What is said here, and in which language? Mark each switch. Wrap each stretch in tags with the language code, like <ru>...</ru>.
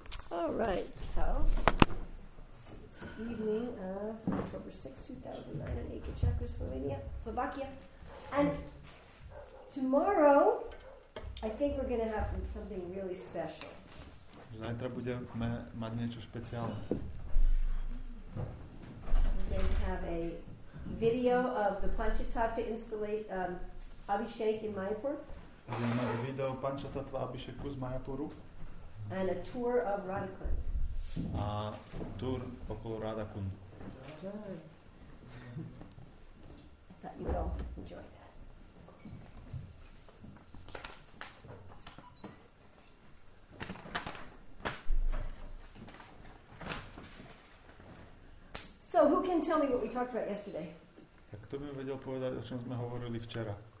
<en>All right, so it's the evening of October 6, 2009 in Akechaka, Slovakia. And tomorrow, I think we're going to have something really special.</en> <sk>Zajtra budeme mať niečo špeciálne.</sk> <en>We're going to have a video of the Panchatattva installation, Abhishek in Mayapur.</en> <sk>Budeme mať video Panchatattva Abhisheku z Mayapuru.</sk> <en>And a tour of Radhakund.</en> <sk>A tour okolo Radhakundu.</sk> <en>Enjoy. I thought you'd all enjoy that. So who can tell me what we talked about yesterday?</en> <sk>Tak kto by vedel povedať, o čom sme hovorili včera?</sk>